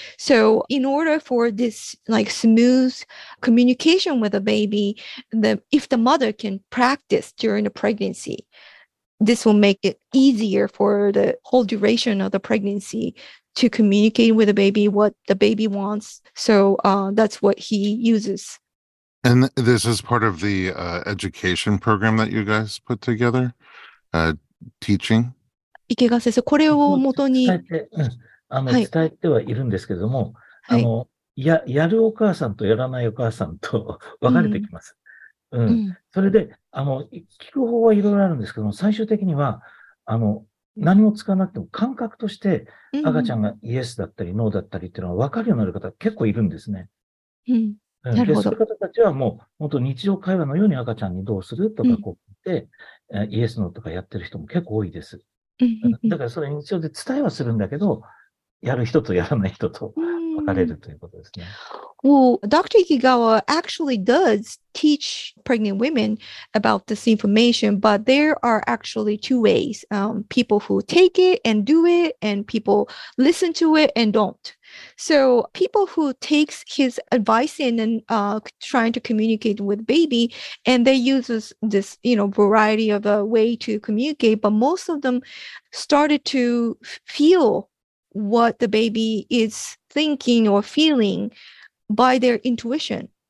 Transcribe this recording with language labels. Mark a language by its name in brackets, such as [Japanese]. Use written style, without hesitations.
[English] So in order for this like smooth communication with a baby, if the mother can practice during the pregnancy, this will make it easier for the whole duration of the pregnancy to communicate with the baby what the baby wants. So that's what he uses. And this is part of the education program that you guys put together, teaching? [Japanese] 池川先生、これを元に伝えてはいるんですけども、はい、やるお母さんとやらないお母さんと分かれてきます。うんうん、それで聞く方はいろいろあるんですけども、最終的には何も使わなくても感覚として赤ちゃんがイエスだったりノーだったりっていうのは分かるようになる方結構いるんですね。うんうん、なるほど。そういう方たちはもう本当日常会話のように赤ちゃんにどうするとかこう言って、うん、イエスノーとかやってる人も結構多いです。だからそれ日常で伝えはするんだけど、やる人とやらない人と分かれるということですね。 [English] Well, Dr. Ikegawa actually does teach pregnant women about this information, but there are actually two ways. People who take it and do it, and people listen to it and don't. So people who takes his advice in and trying to communicate with baby, and they use this, you know, variety of a way to communicate, but most of them started to feel what the baby is thinking or feeling by their intuition.